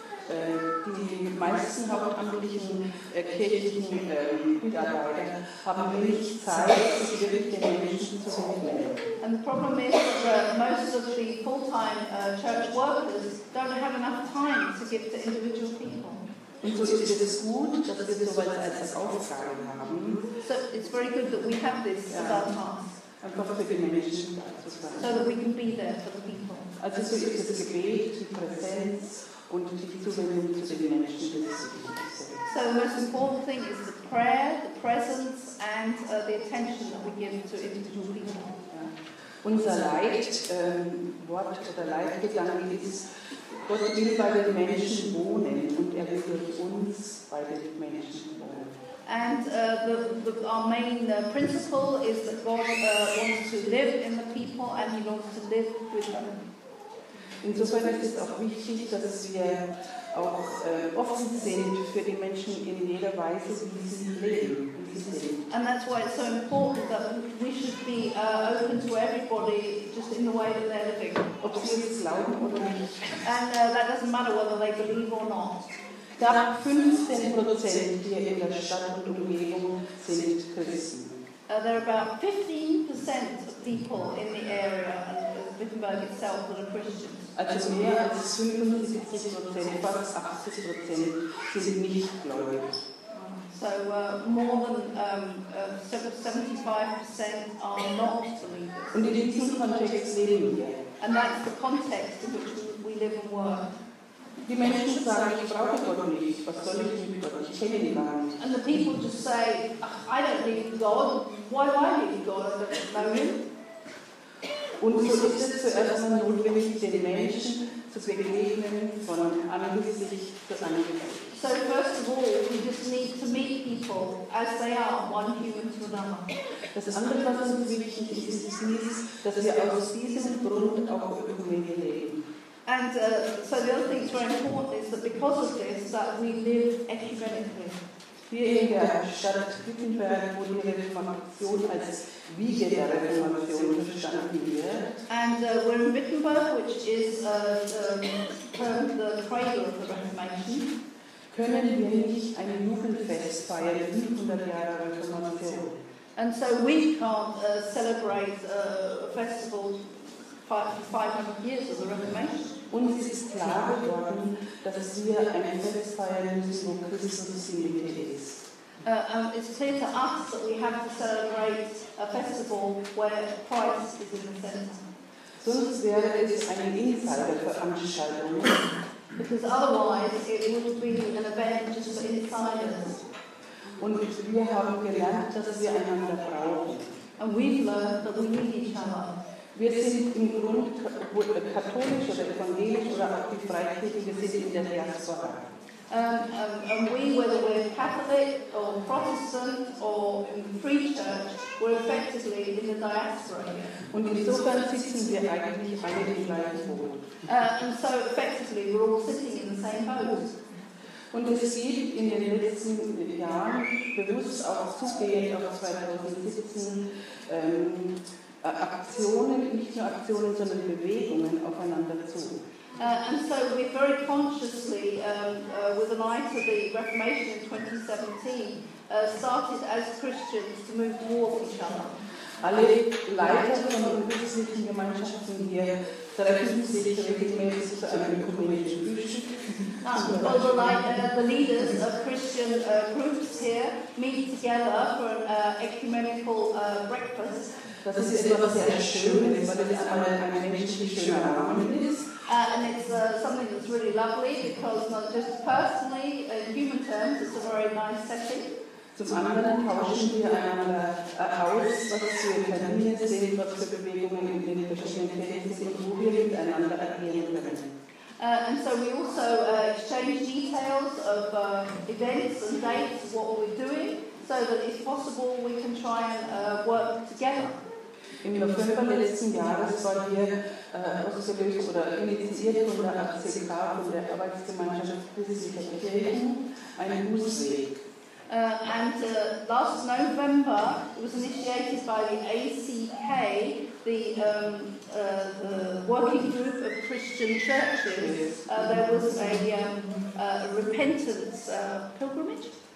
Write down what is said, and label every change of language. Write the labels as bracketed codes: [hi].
[de] Die meisten hauptamtlichen kirchlichen Mitarbeiter haben wenig Zeit, sich wirklich den Menschen zu widmen. [en] And the problem is that most of the full-time church workers don't have enough time to give to individual people. [de] Und so ist es gut, dass wir so etwas als Aufgabe haben. [en] So it's very good that we have this as our task. [de] einfach für die Menschen da zu sein. [en] So that we can be there for the people. [de] Also so ist das Gebet, die Präsenz und die Zuwendung zu den Menschen, die das Gebet sind. [en] So the most important thing is the prayer, the presence and the attention that we give to individual people. [de] Unser Leid, Wort oder Leitgedanke ist, Gott will bei den Menschen wohnen und er will durch uns bei den Menschen wohnen. [en] And our main principle is that God wants to live in the people and he wants to live with them. [de] Insofern ist es auch wichtig, dass wir auch offen sind für die Menschen in jeder Weise, wie sie leben. [en] And that's why it's so important that we should be open to everybody just in the way that they're living. [de] Ob sie es glauben oder nicht. [en] And that doesn't matter whether they believe or not. [de] Da 15% hier in der Stadt und Umgebung sind Christen. [en] There are about 15% of people in the area of Wittenberg itself that are Christians. [de] Also mehr als 75%, fast 80% sind nicht gläubig. [en] So more than 75% are not believers. [de] Und in diesem Kontext leben wir. [en] And that's the context in which we live and work. [de] Die Menschen sagen, ich brauche Gott nicht. Was soll ich mit Gott? Ich kenne ihn gar nicht. [en] And the people just say, ach, I don't need God. Why do I need God? I don't know him. [de] Und so ist es zuerst mal notwendig, den Menschen zu begegnen von Angesicht zu Angesicht. [en] So first of all, we just need to meet people as they are, one human to another. [de] Das andere, was uns wichtig ist, ist dieses, dass wir aus diesem Grund auch Ökumene leben. [en] And so the other thing that's very important is that because of this, that we live ecumenically. [de] Hier in der Stadt Wittenberg, wo die Reformation als Wiege der Reformation verstanden wird. [en] And we're in Wittenberg, which is the cradle of the Reformation. [de] Können wir nicht ein Jugendfest feiern, 500 Jahre Reformation? [en] And so we can't celebrate a festival for 500 years of the Reformation. [de] Uns ist klar geworden, dass wir ein Fest feiern müssen, wo Christus in der Mitte ist. [en] It's clear to us that we have to celebrate a festival where Christ is in the center. [de] Sonst wäre es eine Insiderveranstaltung. [en] Because otherwise it would be an event just for insiders. [de] Und wir haben gelernt, dass wir einander brauchen. [en] And we've learned that we need each other. [de] Wir sind im Grund katholisch oder evangelisch oder auch die Freikirche, wir sind in der Diaspora. [en] And we, whether we're Catholic or Protestant or in Free Church, we're effectively in the diaspora. [de] Und insofern sitzen wir eigentlich alle im gleichen Boot. [en] And so effectively we're all sitting in the same boat. [de] Und es geht in den letzten Jahren bewusst auch zugehend auf 2017 Aktionen, nicht nur Aktionen, sondern Bewegungen aufeinander zu. [en] And so we very consciously, with an eye to the Reformation in 2017, started as Christians to move towards each other. [de] Alle Leiter von christlichen Gemeinschaften hier treffen sich regelmäßig zu einem ökumenischen Frühstück. [en] All the leaders of Christian groups here meet together for an ecumenical breakfast. [de] Das ist etwas sehr Schönes, weil das einmal ein menschlich schöner Rahmen ist. [en] And it's something that's really lovely because not just personally, in human terms, it's a very nice setting. [de] Zum anderen tauschen wir einander aus, was wir in Termine sehen, was für Bewegungen in den verschiedenen Fällen sind, wo wir miteinander agieren können. [en] And so we also exchange details of events and dates, what are we doing, so that if possible we can try and work together. [de] Im November letzten Jahres war hier ausgelöst oder initiiert von der ACK, von der Arbeitsgemeinschaft Christlicher Kirchen, ein Bußweg. [en] And last November it was initiated by the ACK, the Working Group of Christian Churches. There was a repentance pilgrimage.